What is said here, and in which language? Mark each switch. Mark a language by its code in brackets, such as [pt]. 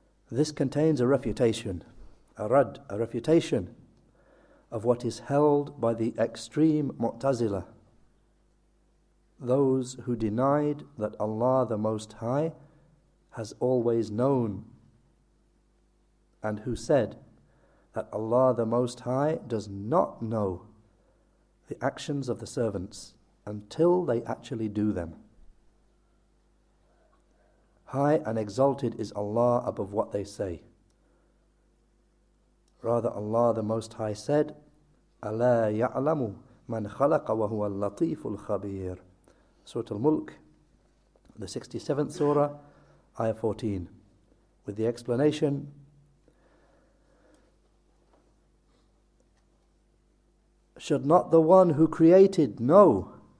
[en] this contains a refutation, a rad, a refutation of what is held by the extreme Mu'tazila, those who denied that Allah the Most High has always known, and who said that Allah the Most High does not know the actions of the servants until they actually do them. High and exalted is Allah above what they say. [ar] Rather, Allah the Most High said, أَلَا يَعْلَمُ مَنْ خَلَقَ وَهُوَ اللَّطِيفُ الْخَبِيرُ. [en] Surah Al-Mulk, the 67th surah, ayah 14, with the explanation, should not the one who created know?